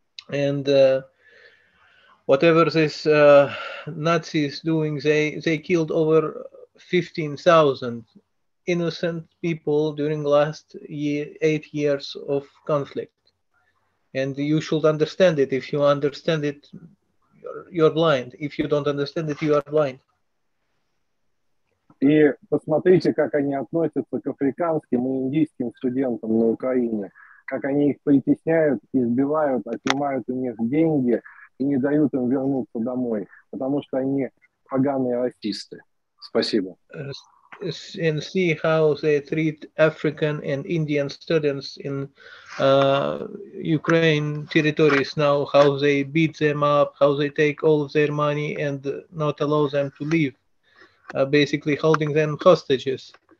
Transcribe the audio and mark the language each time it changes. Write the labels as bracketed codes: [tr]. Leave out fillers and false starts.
[en] And whatever this Nazis doing, they killed over 15,000 innocent people during last 8 years of conflict. And you should understand it. If you understand it, you're blind. If you don't understand it, you are blind. [ru] И посмотрите, как они относятся к африканским и индийским студентам на Украине, как они их притесняют, избивают, отнимают у них деньги и не дают им вернуться домой, потому что они поганые расисты. Спасибо. [en] And see how they treat African and Indian students in Ukraine territories now, how they beat them up, how they take all of their money and not allow them to leave, basically holding them hostages.